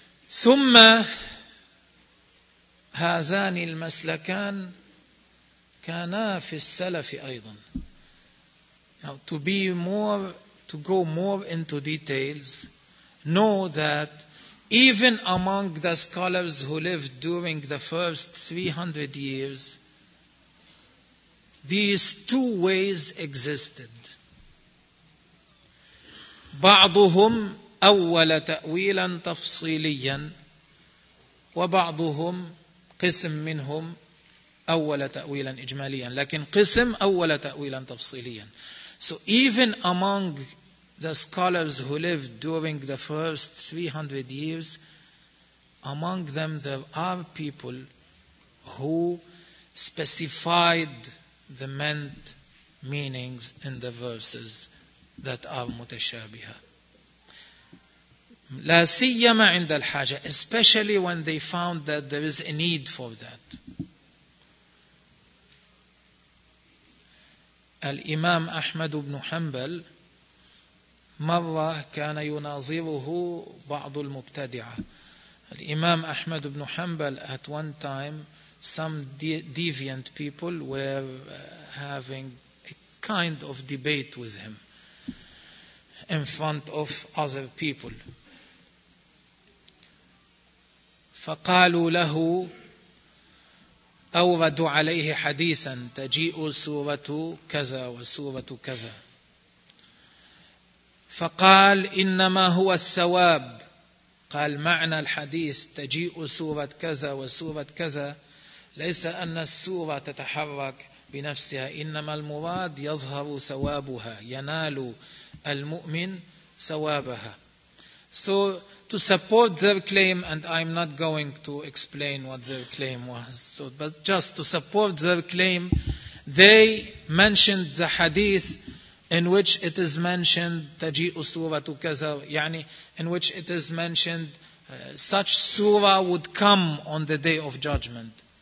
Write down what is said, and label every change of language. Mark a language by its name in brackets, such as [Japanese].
[Arabic] ثم هذان المسلكان كانا في السلف أيضا. [English] Now to go more into details, know that even among the scholars who lived during the first 300 years, these two ways existed. [Arabic] بعضهم أول تأويلا تفصيليا وبعضهم قسم منهم أول تأويلا إجماليا. لكن قسم أول تأويلا تفصيليا. [English] So even among the scholars who lived during the first 300 years, among them there are people who specified the meant meanings in the verses that are متشابهة. [Arabic] لا سيما عند الحاجة. [English] Especially when they found that there is a need for that. [Arabic] الإمام أحمد بن حنبل مرة كان يناظره بعض المبتدعة. [English] الإمام أحمد بن حنبل, at one time some deviant people were having a kind of debate with him in front of other people. [Arabic] فقالوا له أوردوا عليه حديثا تجيء سورة كذا وسورة كذا. فقال إنما هو الثواب. قال معنى الحديث تجيء سورة كذا وسورة كذا ليس أن السورة تتحرك بنفسها, إنما المراد يظهر ثوابها, ينال المؤمن ثوابها. [English] So to support their claim, and I'm not going to explain what their claim was, so, but just to support their claim, they mentioned the hadith in which it is mentioned [Arabic] تَجِئُ سُورَةُ كَذَا, [English] يعني in which it is mentioned such surah would come on the day of judgment.